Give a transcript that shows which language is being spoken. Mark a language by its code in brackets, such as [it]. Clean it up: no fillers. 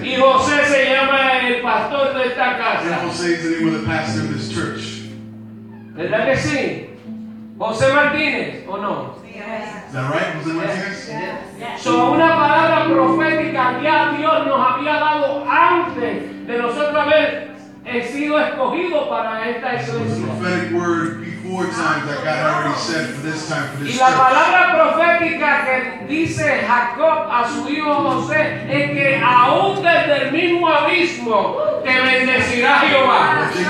[es] Y José se llama el pastor de esta casa. [en] And Jose is the name of the pastor of this church. [es] ¿Verdad que sí? José Martínez, ¿o no? [en] Is that right, José Martínez? Yes. [es] So, una palabra profética ya Dios nos había dado antes de nosotros haber sido escogidos para esta iglesia. [en] Prophetic word before time that God already said for this time, for this church. [es] Y la palabra profética que dice Jacob a su hijo José es que aún desde el mismo abismo te bendecirá Jehová.